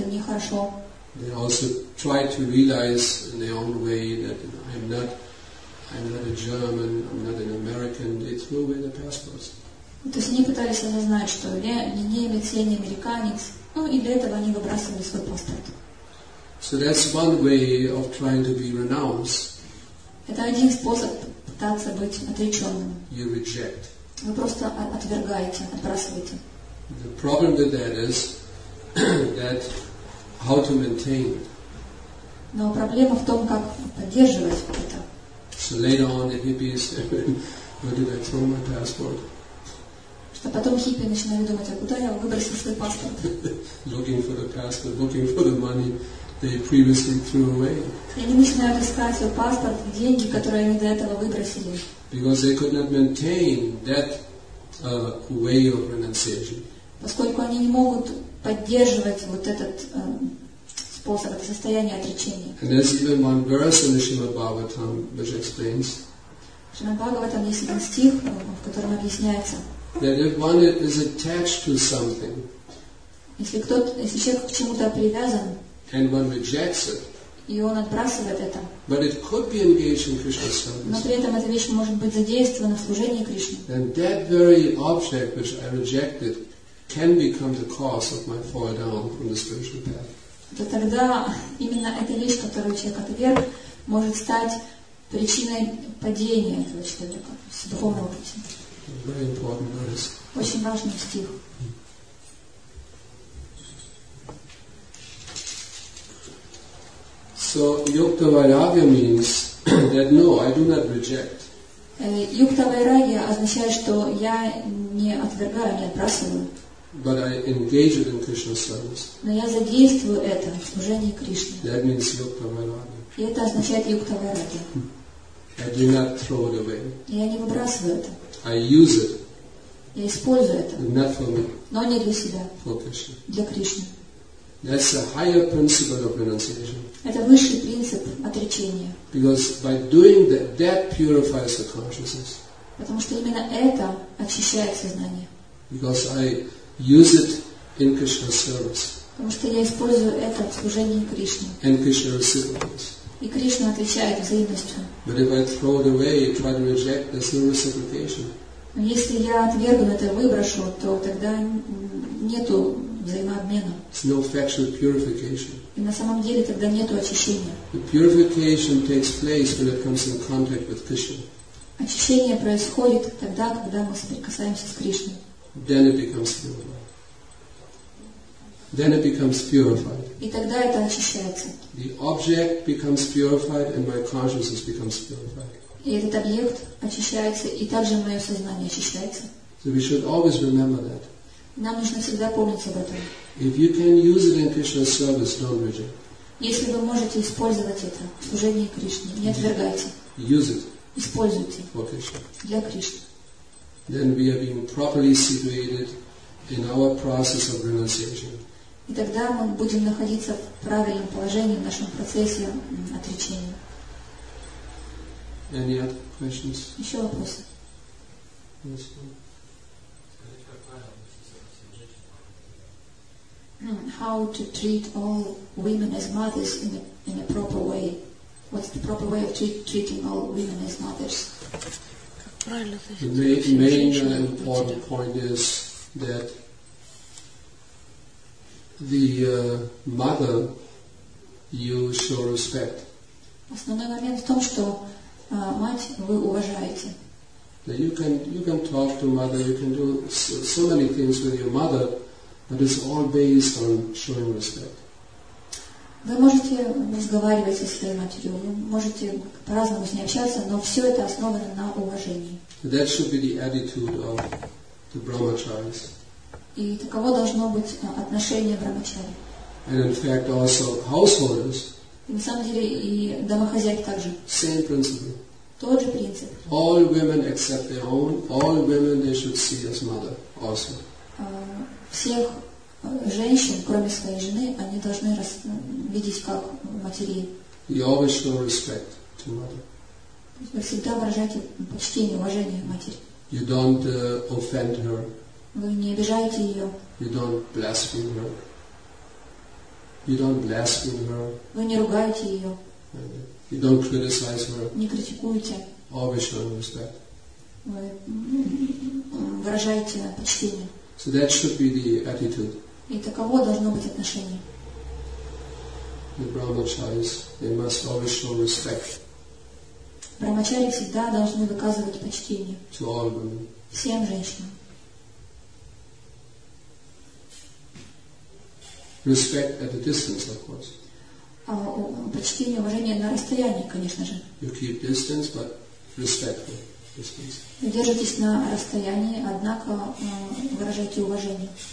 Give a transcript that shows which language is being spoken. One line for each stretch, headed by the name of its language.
English: They also try to realize in their own way that I'm not a German, I'm not an American, they threw away the passports.
Russian: То есть они пытались осознать, что я не немец, я не американец, ну и для этого они выбрасывали свой паспорт.
English: So that's one way of trying to be renounced.
Russian: Это один способ пытаться быть отреченным.
English: You reject.
Russian: Вы просто отвергаете, отбрасываете.
English: The problem with that is that how to maintain.
Russian: Но проблема в том, как поддерживать это.
English: So later on the hippies, where did I throw my passport?
Russian: Что потом хиппи начинают думать, а куда я выбросил свой паспорт?
English: Looking for the passport, looking for the money they previously threw away.
Russian: И они начинают искать свой паспорт, деньги, которые они до этого выбросили.
English: Because they could not maintain that way of renunciation.
Russian: Поскольку они не могут поддерживать вот этот способ, это состояние отречения.
English: And there's even one verse in the Srimad Bhagavatam which explains.
Russian: Srimad Bhagavatam есть один стих, в котором объясняется.
English: That if one is attached to something.
Russian: Если человек к чему-то привязан.
English: And one rejects it.
Russian: И он отбрасывает это.
English: But it could be engaged in Krishna service.
Russian: Но при этом эта вещь может быть задействована в служении Кришне.
English: And that very object which I rejected can become the cause of my fall down from the spiritual path.
Russian: То тогда именно эта вещь, которую человек отверг, может стать причиной падения этого человека с духовного пути.
English: Very important verse.
Russian: Очень важный стих.
English: So Yukta Vairagya means that no, I do not reject.
Russian: Yukta Vairagya означает, что я не отвергаю, не отбрасываю.
English: But I engage it in Krishna service.
Russian: Но я задействую это в служении Кришне.
English: That means Yukta Vairagya.
Russian: И это означает Yukta Vairagya.
English: I do not throw it away.
Russian: Я не выбрасываю это.
English: I use it.
Russian: Я использую это.
English: Not for me.
Russian: Но не для себя.
English: For Krishna.
Russian: Для Кришны.
English: That's a higher principle of renunciation.
Russian: Это высший принцип отречения.
English: Because by doing that purifies the consciousness.
Russian: Потому что именно это очищает сознание.
English: Because I use it in Krishna service.
Russian: Потому что я использую это в служении Кришне.
English: And Krishna reciprocates.
Russian: И Кришна отвечает взаимностью.
English: But if I throw it away, you try to reject, there's no reciprocation.
Russian: Но если я отвергну это, выброшу, то тогда нету взаимообмена.
English: It's no factual purification.
Russian: И на самом деле тогда нету очищения.
English: The purification takes place when it comes in contact with Krishna.
Russian: Очищение происходит тогда, когда мы соприкасаемся с Кришной.
English: Then it becomes pure. Then it becomes purified.
Russian: И тогда это очищается.
English: The object becomes purified, and my consciousness becomes purified.
Russian: И этот объект очищается, и также мое сознание очищается.
English: So we should always remember that.
Russian: Нам нужно всегда помнить об этом.
English: If you can use it in Krishna's service, don't reject.
Russian: Если вы можете использовать это в служении Кришне, не отвергайте.
English: Use it.
Russian: Используйте.
English: For Krishna.
Russian: Для Кришны.
English: Then we are being properly situated in our process of renunciation.
Russian: И тогда мы будем находиться в правильном положении в нашем процессе отречения.
English: Any other questions?
Russian: Еще вопросы?
English: Yes. How to treat all women as mothers in a proper way? What's the proper way of treating all women as mothers? The main important point is that the mother you show respect.
Russian: Основной момент в том, что мать вы уважаете.
English: That you can talk to mother, you can do so many things with your mother. But it's all based on showing respect.
Russian: Вы можете разговаривать со своей матерью, вы можете по-разному с ней общаться, но все это основано на уважении.
English: That should be the attitude of the brahmacharis.
Russian: И таково должно быть отношение брахмачари.
English: And in fact, also householders.
Russian: И на самом деле и домохозяйки также.
English: Same principle.
Russian: Тот же принцип.
English: All women except their own. All women they should see as mother also.
Russian: Всех женщин, кроме своей жены, они должны видеть как матерей.
English: You always show respect to mother.
Russian: Вы всегда выражаете почтение, уважение матери.
English: You don't offend her.
Russian: Вы не обижаете ее.
English: You don't blaspheme her. You don't blaspheme her.
Russian: Вы не ругаете ее.
English: You don't criticize her.
Russian: Не критикуете.
English: Always show respect.
Russian: Вы выражаете почтение.
English: So that should be the attitude.
Russian: И таково должно быть отношение.
English: The brahmacharis, they must always show respect.
Russian: Брахмачари всегда должны выказывать почтение.
English: To all women.
Russian: Всем женщинам.
English: Respect at a distance, of course.
Russian: Почтение, уважение на расстоянии, конечно же.
English: You keep distance, but respectful.
Russian: Вы держитесь на расстоянии, однако выражайте уважение.